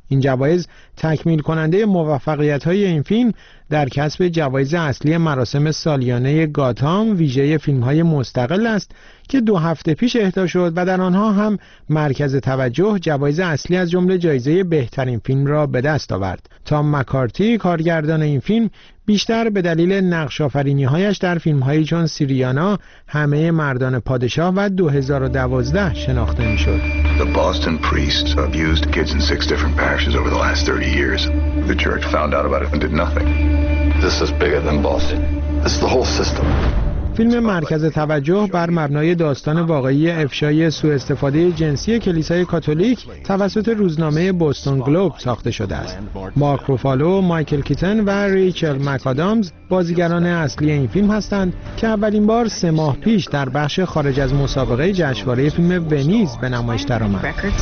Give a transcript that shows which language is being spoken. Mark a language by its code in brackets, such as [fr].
[fa] این جوایز تکمیل کننده موفقیت‌های این فیلم در کسب جوایز اصلی مراسم سالیانه گاتام ویژه فیلم‌های مستقل است که دو هفته پیش اهدا شد و در آنها هم مرکز توجه جوایز اصلی از جمله جایزه بهترین فیلم را به دست آورد. تام مکارتی کارگردان این فیلم بیشتر به دلیل نقش‌آفرینی‌هایش در فیلم‌هایی چون سیریانا، همه مردان پادشاه و 2012 شناخته می‌شد. [en] The Boston priests abused kids in 6 different parishes over the last 30 years. The church found out about it and did nothing. This is bigger than Boston. This is the whole system. [fa] فیلم مرکز توجه بر مبنای داستان واقعی افشای سوء استفاده جنسی کلیسای کاتولیک توسط روزنامه بوستون گلوب ساخته شده است. مارک روفالو، مایکل کیتن و ریچل مکادامز بازیگران اصلی این فیلم هستند که اولین بار 3 ماه پیش در بخش خارج از مسابقه جشنواره فیلم ونیز به نمایش درآمد.